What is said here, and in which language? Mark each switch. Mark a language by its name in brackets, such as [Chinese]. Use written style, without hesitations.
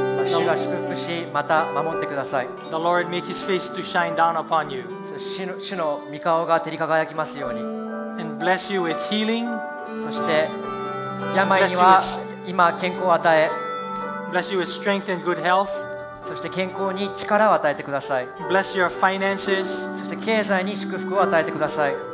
[Japanese] 主が祝福し、また守ってください。 [English] The Lord make His face to shine down upon you. [Japanese] 主の御顔が照り輝きますように。 [English] And bless you with healing. [Japanese] そして病には今健康を与え。 [English] Bless you with strength and good health. [Japanese] そして健康に力を与えてください。 [English] Bless your finances. [Japanese] そして経済に祝福を与えてください。